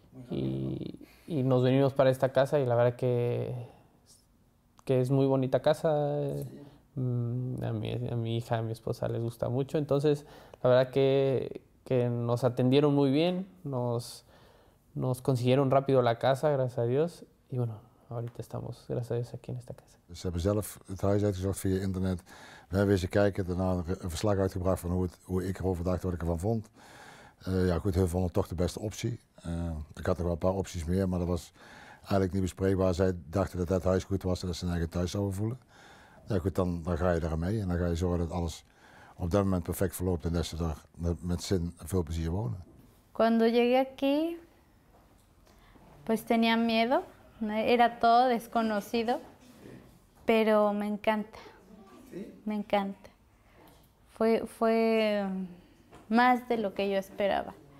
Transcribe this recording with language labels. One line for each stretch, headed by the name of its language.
Spanish: Y nos venimos para esta casa y la verdad que es muy bonita casa. Sí. A mi hija, a mi esposa les gusta mucho. Entonces, la verdad que nos atendieron muy bien, nos consiguieron rápido la casa, gracias a Dios. Y bueno, ahorita estamos, gracias a Dios, aquí en esta casa.
Dutch: Ze hebben zelf het huis uitgezocht via internet. We hebben eens kijken, daarna een verslag uitgebracht van hoe ik erover dacht, wat ik ervan vond. Ja goed, hun vonden toch de beste optie. Ik had nog wel een paar opties meer, maar dat was eigenlijk niet bespreekbaar. Zij dachten dat het huis goed was en dat ze hun eigen thuis zouden voelen. Ja goed, dan ga je daar mee en dan ga je zorgen dat alles op dat moment perfect verloopt en dat ze daar met zin en veel plezier wonen.
Spanish: Cuando llegué aquí, pues tenía miedo. Era todo desconocido, pero me encanta. Me encanta. Fue más de lo que yo esperaba.